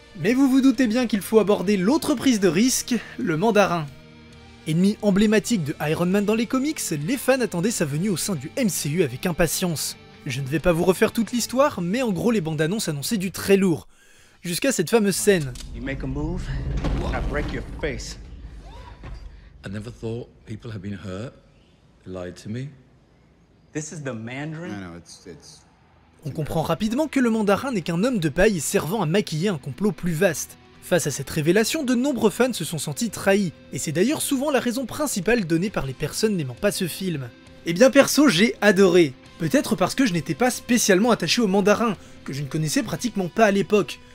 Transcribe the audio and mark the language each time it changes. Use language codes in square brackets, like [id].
[fr] Mais vous vous doutez bien qu'il faut aborder l'autre prise de risque, le mandarin. Ennemi emblématique de Iron Man dans les comics, les fans attendaient sa venue au sein du MCU avec impatience. Je ne vais pas vous refaire toute l'histoire, mais en gros les bandes annonces annonçaient du très lourd. Jusqu'à cette fameuse scène. [en] You make a move, I break your face. I never thought people had been hurt. They lied to me. This is the Mandarin? No, it's... [fr] On comprend rapidement que le mandarin n'est qu'un homme de paille servant à maquiller un complot plus vaste. Face à cette révélation, de nombreux fans se sont sentis trahis, et c'est d'ailleurs souvent la raison principale donnée par les personnes n'aimant pas ce film. Eh bien perso, j'ai adoré. Peut-être parce que je n'étais pas spécialement attaché au mandarin, que je ne connaissais pratiquement pas à l'époque.